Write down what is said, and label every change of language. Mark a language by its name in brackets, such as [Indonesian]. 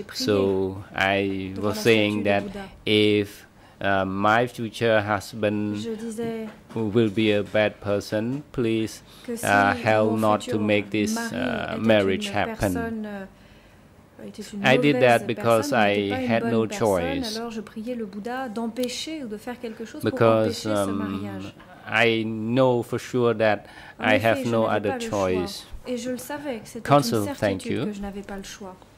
[English] So I was saying that if my future husband will be a bad person, please help not to make this marriage happen. I did that because I had no choice. [French] Alors je priais le Bouddha d'empêcher ou de faire quelque chose pour empêcher ce mariage. [English] I know for sure that I have no other choice. [French] Et je le savais que c'était une certitude que je n'avais pas le choix.